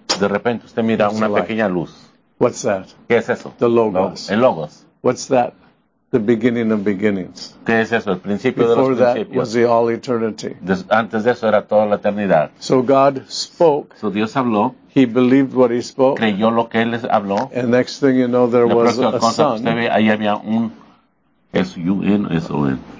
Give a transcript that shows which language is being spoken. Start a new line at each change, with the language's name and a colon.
Spanish: De repente usted mira una pequeña luz.
English: What's that?
Spanish: ¿Qué es eso?
English: The Logos.
Spanish: El Logos.
English: What's that? The beginning of beginnings.
Spanish: ¿Qué es eso? El principio
English: before
Spanish: de los principios.
English: Before that was the all eternity.
Spanish: Antes de eso era toda la eternidad.
English: So God spoke.
Spanish: So Dios habló.
English: He believed what he spoke.
Spanish: Creyó lo que él habló.
English: And next thing you know, there was a sun.
Spanish: Usted ve, ahí había un
English: S-U-N, S-O-N.